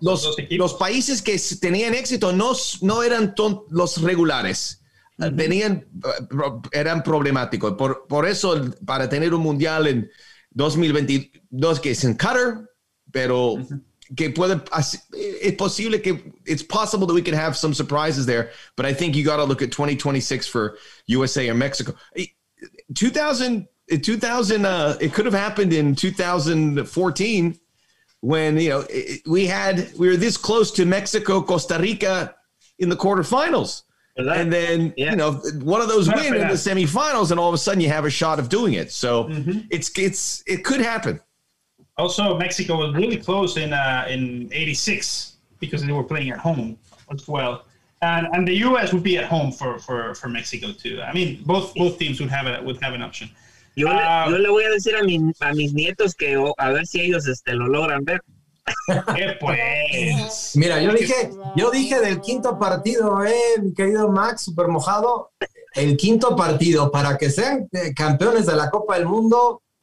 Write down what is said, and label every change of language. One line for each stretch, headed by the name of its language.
Spanish: Los países que tenían éxito no eran los regulares. Uh-huh. Eran problemáticos. Por eso, para tener un mundial en 2022, que es en Qatar, pero que puede. Es posible que.
English: It's possible that we can have some surprises there. But I think you got to look at 2026 for USA or Mexico. 2000, it could have happened in 2014 when, you know, we were this close to Mexico, Costa Rica in the quarterfinals. And then, you know, one of those win in the semifinals, and all of a sudden you have a shot of doing it. So it could happen. Also, Mexico was really close in 86 because they were playing at home as well. And the U.S. would be at home for Mexico too. I mean, both teams would have an option.
Spanish: Yo le voy a decir a mis nietos que a ver si ellos lo logran ver. ¡Qué pues! Mira, yo dije del quinto partido, mi querido Max, super mojado. El quinto partido, para que sean campeones de la Copa del Mundo.